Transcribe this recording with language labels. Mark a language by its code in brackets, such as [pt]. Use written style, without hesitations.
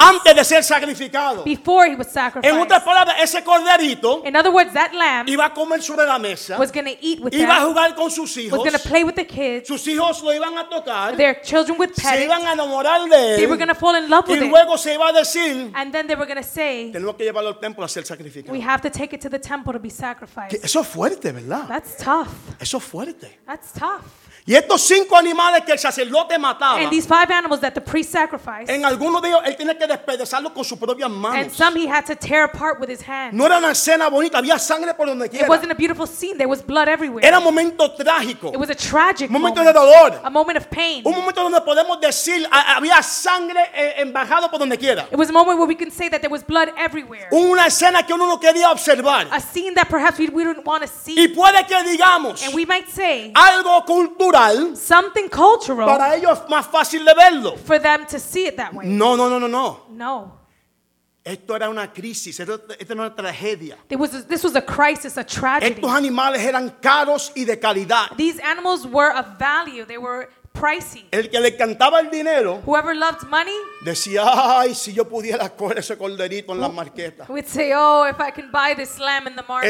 [es] Antes de ser sacrificado. [en] Before he was sacrificed. [es] En otras palabras, ese corderito. [en] In other words, that lamb. [es] Iba a comer sobre la mesa. [en] Was going to eat with [es] iba [en] them. [es] Iba a jugar con sus hijos. [en] Was going to play with the kids. [es] Sus hijos lo iban a tocar. [en] Their children would pet. [es] Se iban a enamorar de él. [en] They were going to fall in love with [es] it. Y luego se iba a decir. [en] And then they were going to say. [es] Tenemos que llevarlo al templo a ser sacrificado. [en] We have to take it to the temple to be sacrificed. [es] Que eso es fuerte, ¿verdad? [en] That's tough. [es] Eso es fuerte. [en] That's tough. [es] Y estos 5 animales que el sacerdote mataba. [en] And these 5 animals that the priest sacrificed. [es] En algunos de ellos él tenía que despedazarlo con sus propias manos. [en] And some he had to tear apart with his hands. [es] No era una escena bonita, había sangre por donde quiera. [en] It wasn't a beautiful scene, there was blood everywhere. [es] Era un momento trágico. [en] It was a tragic moment. [es] Momento de dolor. [en] A moment of pain. [es] Un momento donde podemos decir había sangre embajado por donde quiera. [en] It was a moment where we can say that there was blood everywhere. [es] Una escena que uno no quería observar. [en] A scene that perhaps we didn't want to see. [es] Y puede que digamos. [en] And we might say. [es] Algo oculto. [en] Something cultural. [es] Para ellos es más fácil de verlo. [en] For them to see it that way. [es] No. [en] No. [es] Esto era una crisis. Esto era una tragedia. [en] This was a crisis, a tragedy. [es] Estos animales eran caros y de calidad. [en] These animals were of value. They were pricey. [es] El que le cantaba el dinero. [en] Whoever loved money. [es] Decía, ay, si yo pudiera coger ese corderito en la marqueta. [en] Would say, oh, if I can buy this lamb in the market.